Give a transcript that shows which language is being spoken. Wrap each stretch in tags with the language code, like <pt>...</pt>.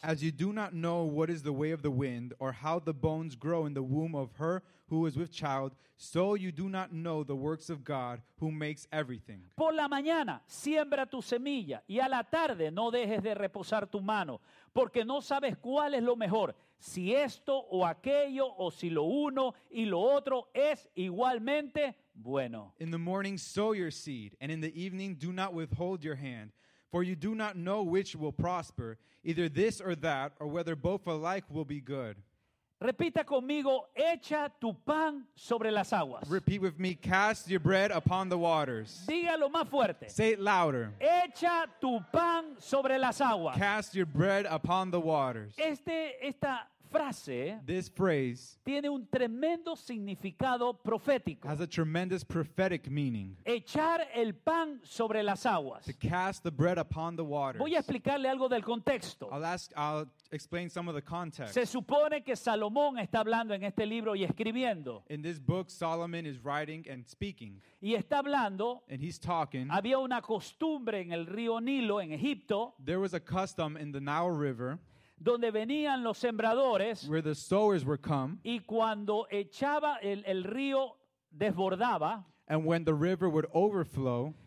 <en>As you do not know what is the way of the wind, or how the bones grow in the womb of her who is with child, so you do not know the works of God who makes everything.</en> <es>Por la mañana siembra tu semilla, y a la tarde no dejes de reposar tu mano, porque no sabes cuál es lo mejor, si esto o aquello, o si lo uno y lo otro es igualmente bueno.</es> <en>In the morning sow your seed, and in the evening do not withhold your hand. For you do not know which will prosper, either this or that, or whether both alike will be good.</en> <es>Repita conmigo, echa tu pan sobre las aguas.</es> <en>Repeat with me, cast your bread upon the waters.</en> <es>Dígalo más fuerte.</es> <en>Say it louder.</en> <es>Echa tu pan sobre las aguas.</es> <en>Cast your bread upon the waters.</en> <es>Esta frase,</es> <en>this phrase,</en> <es>tiene un tremendo significado profético.</es> <en>Has a tremendous prophetic meaning.</en> <es>Echar el pan sobre las aguas.</es> <en>To cast the bread upon the waters.</en> <es>Voy a explicarle algo del contexto.</es> <en>I'll explain some of the context.</en> <es>Se supone que Salomón está hablando en este libro y escribiendo.</es> <en>In this book, Solomon is writing and speaking.</en> <es>Y está hablando.</es> <en>And he's talking.</en> <es>Había una costumbre en el río Nilo en Egipto.</es> <en>There was a custom in the Nile River.</en> <es>Donde venían los sembradores.</es> <en>Where the sowers were come.</en> <es>Y cuando echaba el río desbordaba.</es> <en>And when the river would overflow.</en>